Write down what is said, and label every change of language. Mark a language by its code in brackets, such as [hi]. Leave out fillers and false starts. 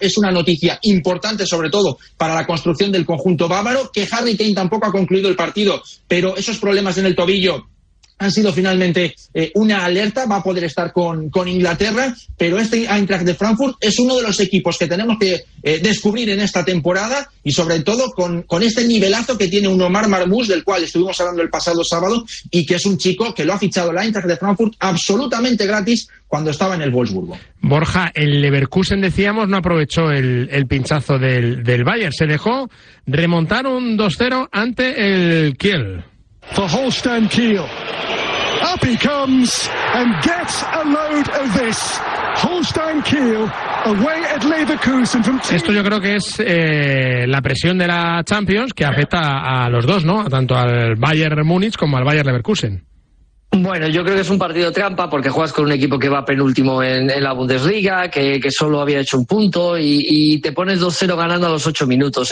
[es] Es una noticia importante, sobre todo para la construcción del conjunto bávaro, que Harry Kane tampoco ha concluido el partido, pero esos problemas en el tobillo han sido finalmente una alerta, va a poder estar con Inglaterra, pero este Eintracht de Frankfurt es uno de los equipos que tenemos que descubrir en esta temporada, y sobre todo con este nivelazo que tiene un Omar Marmoush, del cual estuvimos hablando el pasado sábado, y que es un chico que lo ha fichado el Eintracht de Frankfurt absolutamente gratis cuando estaba en el Wolfsburgo. Borja, el Leverkusen, decíamos, no aprovechó el pinchazo del Bayern, se dejó remontar un 2-0 ante el Kiel. [en] For Holstein Kiel, up he comes and gets a load of this. Holstein Kiel away at Leverkusen. [es] Esto yo creo que es la presión de la Champions, que afecta a los dos, ¿no? Tanto al Bayern Múnich como al Bayern Leverkusen. Bueno, yo creo que es un partido trampa porque juegas con un equipo que va penúltimo en la Bundesliga, que solo había hecho un punto y te pones 2-0 ganando a los 8 minutos.